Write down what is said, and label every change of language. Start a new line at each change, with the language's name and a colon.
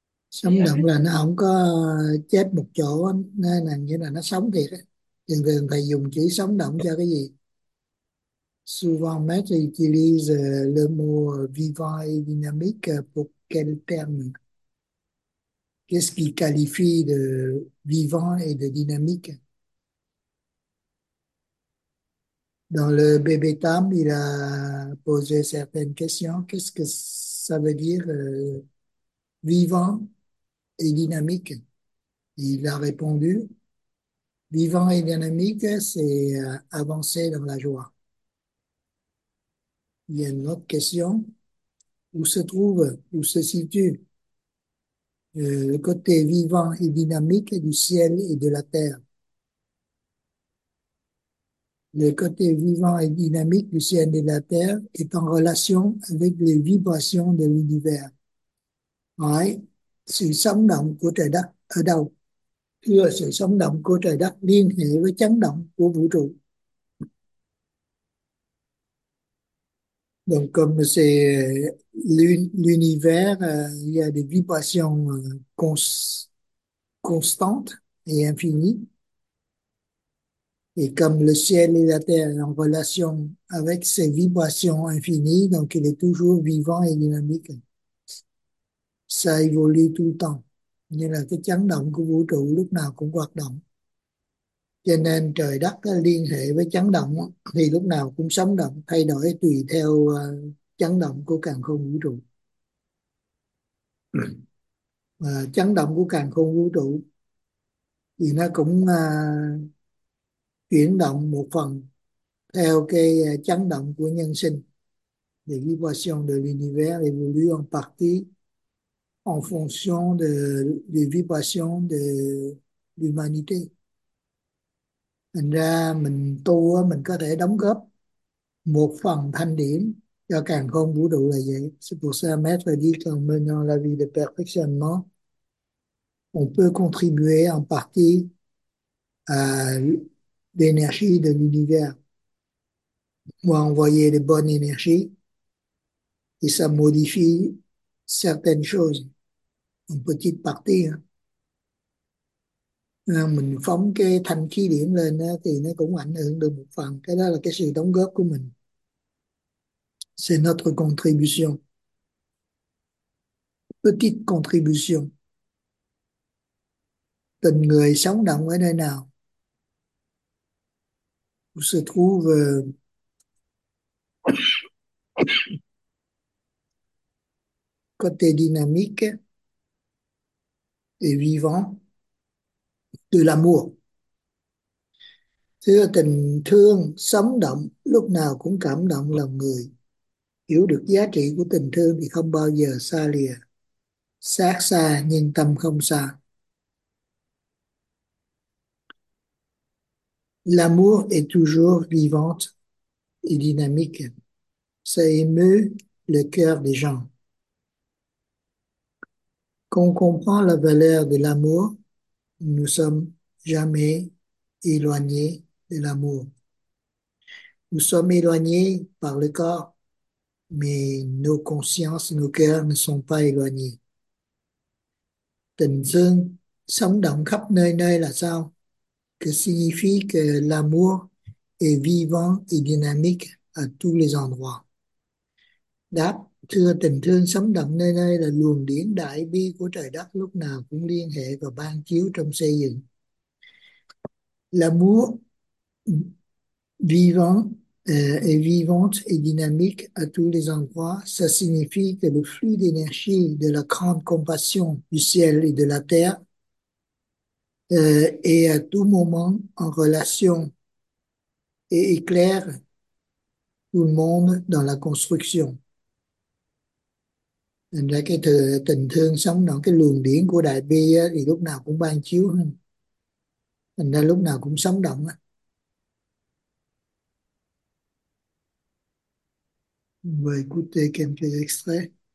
Vietnamese: Sống động là nó không có chết một chỗ, nên là nghĩa là nó sống thiệt á. Thường thường thầy dùng chữ sống động cho cái gì?
French: Souvent maître utilise le mot vivant et dynamique pour quel terme? Qu'est-ce qui qualifie de vivant et de dynamique? Dans le bébé Tam, il a posé certaines questions. Qu'est-ce que ça veut dire, vivant et dynamique? Il a répondu, vivant et dynamique, c'est avancer dans la joie. Il y a une autre question. Où se trouve, où se situe le côté vivant et dynamique du ciel et de la terre? Le côté vivant et dynamique du ciel et de la terre est en relation avec les vibrations de l'univers. Oui,
Vietnamese: sự sống động của trời đất ở đâu? Thưa, sự sống động của trời đất liên hệ với chấn động của vũ trụ.
French: Donc, comme c'est l'univers, il y a des vibrations constantes et infinies. Et comme le ciel et la terre sont en relation avec ces vibrations infinies, donc il est toujours vivant et dynamique. Ça évolue tout le temps.
Vietnamese: Nhưng là cái chấn động của vũ trụ lúc nào cũng hoạt động. Cho nên trời đất liên hệ với chấn động thì lúc nào cũng sống động, thay đổi tùy theo chấn động của càn khôn vũ trụ. Chấn động của càn khôn vũ trụ thì nó cũng chuyển động một phần theo cái chấn động của nhân sinh.
French: Les vibrations de l'univers évoluent en partie en fonction des vibrations de l'humanité.
Vietnamese: Thành ra mình tu, mình có thể đóng góp một phần thanh điển cho càn khôn vũ trụ là vậy.
French: C'est pour ça, maître dit qu'en menant la vie de perfectionnement, on peut contribuer en partie à d'énergie de l'univers, ou envoyer de bonnes énergies, et ça modifie certaines choses, une petite partie. Hein.
Vietnamese: Mình phóng cái thanh khí điển lên thì nó cũng ảnh hưởng được một phần, cái đó là cái sự đóng góp của mình.
French: C'est notre contribution. Petite contribution.
Vietnamese: Tình người sống động ở nơi nào?
French: Où se trouve côté dynamique et vivant de l'amour.
Vietnamese: Thưa, tình thương sống động lúc nào cũng cảm động lòng người. Hiểu được giá trị của tình thương thì không bao giờ xa lìa. Xác xa nhưng tâm không xa.
French: L'amour est toujours vivant et dynamique. Ça émeut le cœur des gens. Quand on comprend la valeur de l'amour, nous ne sommes jamais éloignés de l'amour. Nous sommes éloignés par le corps, mais nos consciences, nos cœurs ne sont pas éloignés.
Vietnamese: Tình thương sống động khắp nơi nơi là sao?
French: Que signifie que l'amour est vivant et dynamique à tous les endroits?
Vietnamese: Đáp, thưa, tình thương sống động nơi nơi là luồng điển đại bi của trời đất lúc nào cũng liên hệ và ban chiếu trong xây dựng.
French: L'amour vivant est vivante et dynamique à tous les endroits, ça signifie que le flux d'énergie de la grande compassion du ciel et de la terre est à tout moment en relation et éclaire tout le monde dans la construction.
Vietnamese: Thành ra cái tình thương sống
French: dans
Vietnamese: cái luồng điển của đại bi á, thì lúc nào cũng ban chiếu hơn. Thành ra lúc nào cũng sống động á. Mời
French: écouter quelques extraits.